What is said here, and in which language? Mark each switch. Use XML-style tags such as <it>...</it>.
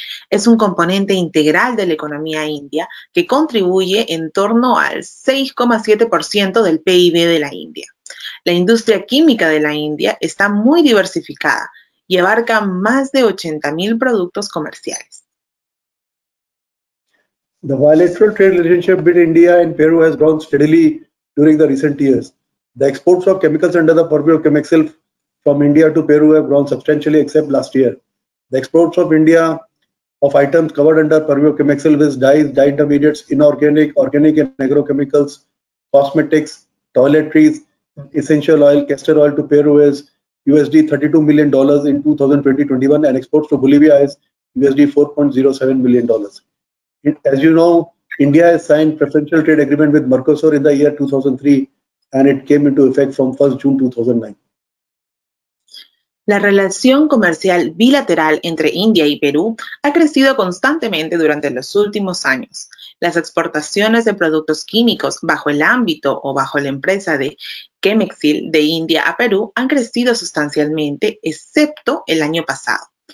<es>Es un componente integral de la economía india que contribuye en torno al 6,7% del PIB de la India. La industria química de la India está muy diversificada y abarca más de 80 mil productos comerciales.</es> <en>The bilateral trade relationship between India and Peru has grown steadily during the recent years. The exports of chemicals under the purview of CEMEXIL from India to Peru have grown substantially except last year. The exports of India of items covered under purview of CEMEXIL with dyes, dye intermediates, inorganic, organic and agrochemicals, cosmetics, toiletries, essential oil, castor oil to Peru is $32 million in 2020-21 and exports to Bolivia is $4.07 million. As you know, India has signed preferential trade agreement with Mercosur in the year 2003 and it came into effect from 1st June 2009.</en> <es>La relación comercial bilateral entre India y Perú ha crecido constantemente durante los últimos años. Las exportaciones de productos químicos bajo el ámbito o bajo la empresa de CEMEXIL de India a Perú han crecido sustancialmente, excepto el año pasado.</es>